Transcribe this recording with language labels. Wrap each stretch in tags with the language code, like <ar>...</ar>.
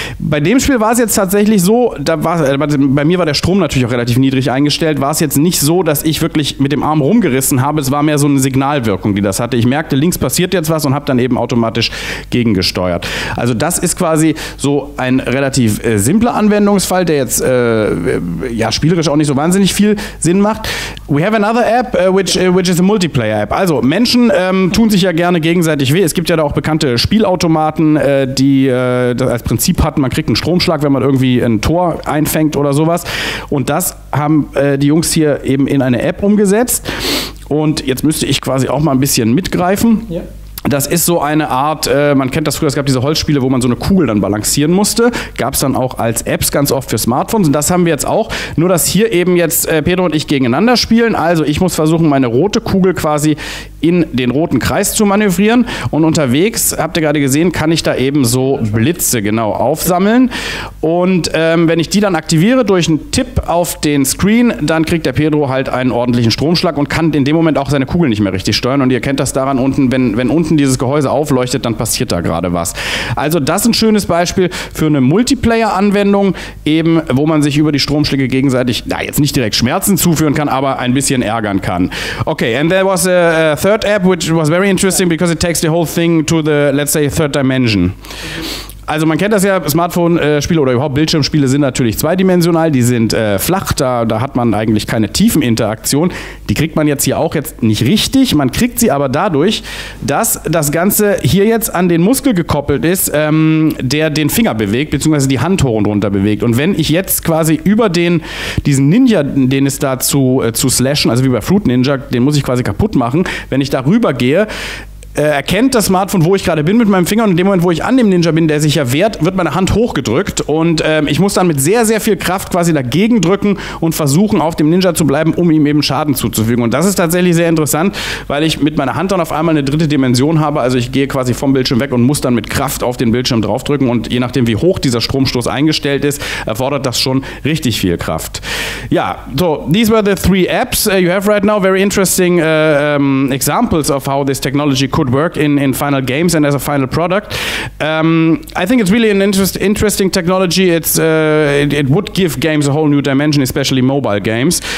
<de>Bei dem Spiel war es jetzt tatsächlich so, bei mir war der Strom natürlich auch relativ niedrig eingestellt, war es jetzt nicht so, dass ich wirklich mit dem Arm rumgerissen habe, es war mehr so eine Signalwirkung, die das hatte. Ich merkte, links passiert jetzt was und habe dann eben automatisch gegengesteuert. Also das ist quasi so ein relativ simpler Anwendungsfall, der jetzt spielerisch auch nicht so wahnsinnig viel Sinn macht.</de> <en>We have another app, which is a multiplayer app.</en> <de>Also Menschen tun sich ja gerne gegenseitig weh. Es gibt ja da auch bekannte Spielautomaten, die das als Prinzip hatten, man kriegt einen Stromschlag, wenn man irgendwie ein Tor einfängt oder sowas. Und das haben die Jungs hier eben in eine App umgesetzt. Und jetzt müsste ich quasi auch mal ein bisschen mitgreifen. Ja. Das ist so eine Art, man kennt das früher, es gab diese Holzspiele, wo man so eine Kugel dann balancieren musste. Gab es dann auch als Apps ganz oft für Smartphones und das haben wir jetzt auch. Nur, dass hier eben jetzt Pedro und ich gegeneinander spielen. Also ich muss versuchen, meine rote Kugel quasi in den roten Kreis zu manövrieren. Und unterwegs, habt ihr gerade gesehen, kann ich da eben so Blitze genau aufsammeln. Und wenn ich die dann aktiviere durch einen Tipp auf den Screen, dann kriegt der Pedro halt einen ordentlichen Stromschlag und kann in dem Moment auch seine Kugel nicht mehr richtig steuern. Und ihr kennt das daran unten, wenn unten dieses Gehäuse aufleuchtet, dann passiert da gerade was. Also das ist ein schönes Beispiel für eine Multiplayer-Anwendung, eben wo man sich über die Stromschläge gegenseitig, na jetzt nicht direkt Schmerzen zuführen kann, aber ein bisschen ärgern kann.</de> <en>Okay, and there was a third app, which was very interesting, because it takes the whole thing to the, let's say, third dimension.</en> <de>Also man kennt das ja, Smartphone-Spiele oder überhaupt Bildschirmspiele sind natürlich zweidimensional, die sind flach, da hat man eigentlich keine Tiefeninteraktion. Die kriegt man jetzt hier auch jetzt nicht richtig, man kriegt sie aber dadurch, dass das Ganze hier jetzt an den Muskel gekoppelt ist, der den Finger bewegt, beziehungsweise die Hand hoch und runter bewegt. Und wenn ich jetzt quasi über diesen Ninja, den es da zu slashen, also wie bei Fruit Ninja, den muss ich quasi kaputt machen, wenn ich da rüber gehe, erkennt das Smartphone, wo ich gerade bin mit meinem Finger, und in dem Moment, wo ich an dem Ninja bin, der sich ja wehrt, wird meine Hand hochgedrückt und ich muss dann mit sehr, sehr viel Kraft quasi dagegen drücken und versuchen, auf dem Ninja zu bleiben, um ihm eben Schaden zuzufügen. Und das ist tatsächlich sehr interessant, weil ich mit meiner Hand dann auf einmal eine dritte Dimension habe, also ich gehe quasi vom Bildschirm weg und muss dann mit Kraft auf den Bildschirm draufdrücken, und je nachdem, wie hoch dieser Stromstoß eingestellt ist, erfordert das schon richtig viel Kraft.</de> <en>Ja, so, these were the three apps you have right now. Very interesting examples of how this technology could work in final games and as a final product. I think it's really an interesting technology. It's it would give games a whole new dimension, especially mobile games.</en>